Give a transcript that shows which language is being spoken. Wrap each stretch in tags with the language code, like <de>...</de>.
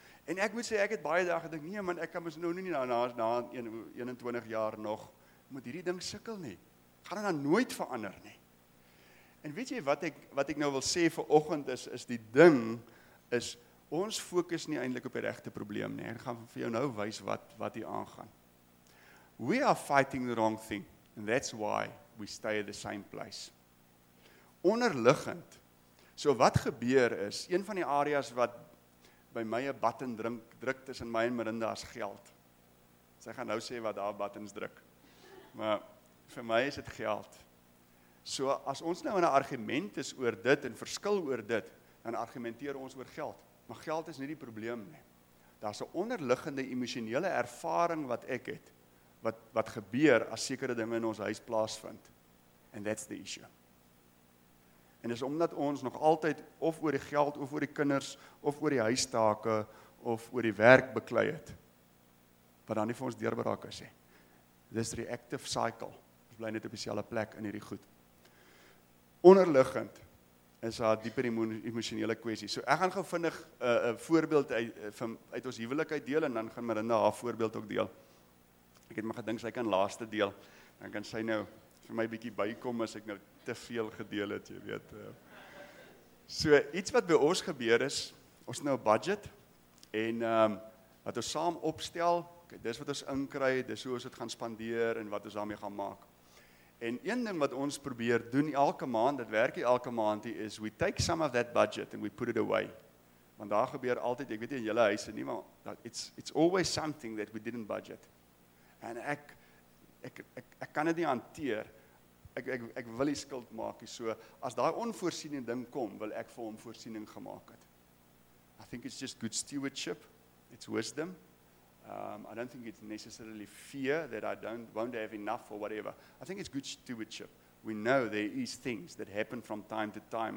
<af>En ek moet sê, ek het baie dae gedink, nee man, ek kan mos nou nie na 21 jaar nog, moet hierdie ding sukkel nie. Gaan dit dan nooit verander nie. En weet jy wat ek nou wil sê vir oggend is die ding, is ons fokus nie eintlik op die regte probleem nie. Ek gaan vir jou nou wys wat hier aangaan.</af> <en>We are fighting the wrong thing, and that's why we stay at the same place.</en> <af>Onderliggend, so wat gebeur is, een van die areas wat by my 'n button druk tussen my en Marinda as geld. Sy gaan nou sê wat daar buttons druk. Maar vir my is dit geld. So as ons nou in 'n argument is oor dit en verskil oor dit, dan argumenteer ons oor geld. Maar geld is nie die probleem nie. Daar's 'n onderliggende emosionele ervaring wat ek het wat gebeur as sekere dinge in ons huis plaasvind.</af> <en>And that's the issue.</en> <af>En is omdat ons nog altyd of oor die geld, of oor die kinders, of oor die huistake, of oor die werk beklei het, wat dan nie vir ons deurbraak is. Dis reactive cycle. Ons bly net op dieselfde plek in hierdie goed. Onderliggend is daar dieper emosionele kwessie. So ek gaan gou vinnig 'n voorbeeld uit ons huwelik uit deel, en dan gaan Marinda haar voorbeeld ook deel. Ek het my gedink sy kan laaste deel, dan kan sy nou vir my bietjie bykom as ek nou te veel gedeel het, jy weet. So, iets wat by ons gebeur is, ons nou 'n budget, en wat ons saam opstel, okay, dis wat ons inkry, dis hoe ons dit gaan spandeer, en wat ons daarmee gaan maak. En een ding wat ons probeer doen elke maand, dit werk hier elke maand, is</af> <en>we take some of that budget, and we put it away.</en> <af>Want daar gebeur altyd, ek weet nie in julle huise nie, maar</af> <en>it's always something that we didn't budget.</en> <af>En ek kan dit nie hanteer, Ek wil nie skuld maak nie. So as daai onvoorsiene ding kom, wil ek vir hom voorsiening gemaak het.</af> <en>I think it's just good stewardship. It's wisdom. I don't think it's necessarily fear that I won't have enough or whatever. I think it's good stewardship. We know there is things that happen from time to time.</en>